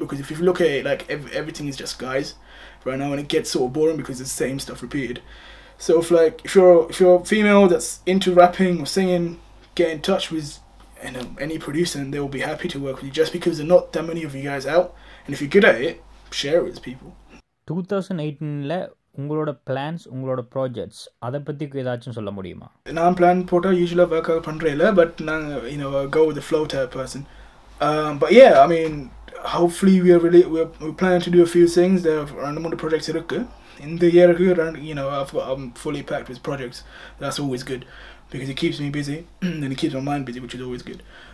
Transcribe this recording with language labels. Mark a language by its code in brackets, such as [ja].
[en] Because if you look at it, like everything is just guys right now, and it gets sort of boring because it's the same stuff repeated. So if you're a female that's into rapping or singing, get in touch with any producer, and they will be happy to work with you, just because there are not that many of you guys out. And if you're good at it, share it with people. [ta] 2018 உங்களோட plans, உங்களோட projects, அதை பத்தி ஏதாச்சும் சொல்ல முடியுமா? நான் plan போட்டா யூஸ்வலா work out பண்றேன் இல்ல, [en] but நான் you know go with the flow type person. But yeah, I mean, hopefully we're planning to do a few things. There are random projects இருக்கு. In the year, you know, I'm fully packed with projects. That's always good, because it keeps me busy and it keeps my mind busy, which is always good.